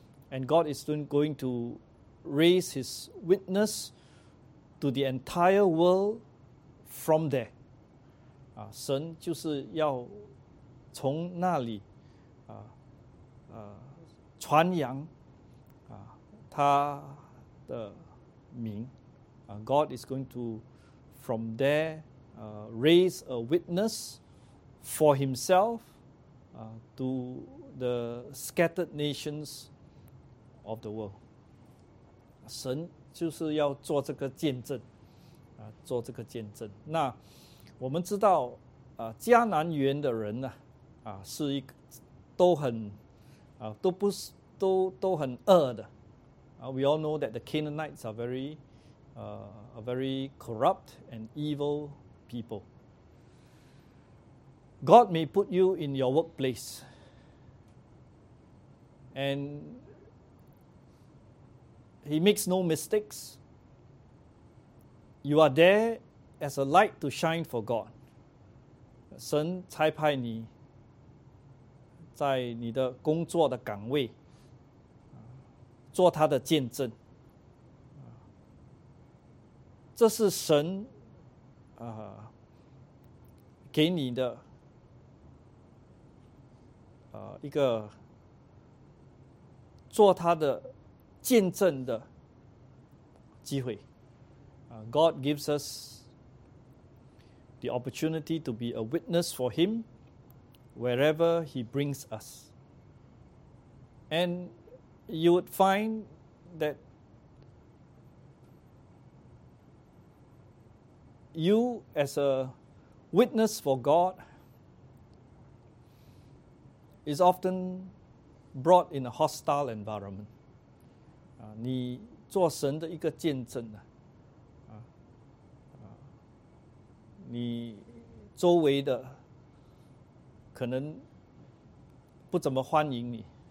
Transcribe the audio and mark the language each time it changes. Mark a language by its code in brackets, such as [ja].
[en] And God is going to raise his witness to the entire world from there. [zh] 神就是要从那里传扬他的名。 [en] God is going to, from there, raise a witness for himself to the scattered nations of the world. [zh] 神就是要做这个见证，做这个见证。那我们知道，迦南园的人呢，是一个都很都不是都很恶的。 [en] We all know that the Canaanites are very, are very corrupt and evil people. God may put you in your workplace, and He makes no mistakes. You are there as a light to shine for God. [zh] 神差派你在你的工作的岗位做他的见证，这是神给你的一个做他的见证的机会。 [en] God gives us the opportunity to be a witness for him wherever he brings us. And you would find that you as a witness for God is often brought in a hostile environment. [zh] 你做神的一个见证呢，你周围的可能不怎么欢迎你。